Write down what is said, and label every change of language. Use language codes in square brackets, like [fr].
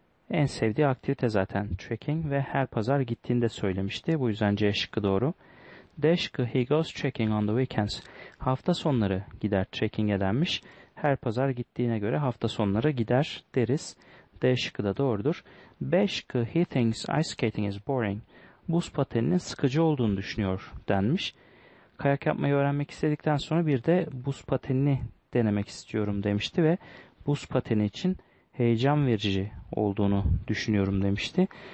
[tr] En sevdiği aktivite zaten trekking ve her pazar gittiğini de söylemişti. Bu yüzden C şıkkı doğru. D şıkkı, [en] he goes trekking on the weekends. [tr] Hafta sonları gider trekking'e denmiş. Her pazar gittiğine göre hafta sonları gider deriz. D şıkkı da doğrudur. B şıkkı, [en] he thinks ice skating is boring. [tr] Buz pateninin sıkıcı olduğunu düşünüyor denmiş. Kayak yapmayı öğrenmek istedikten sonra bir de buz patenini denemek istiyorum demişti ve buz pateni için heyecan verici olduğunu düşünüyorum demişti.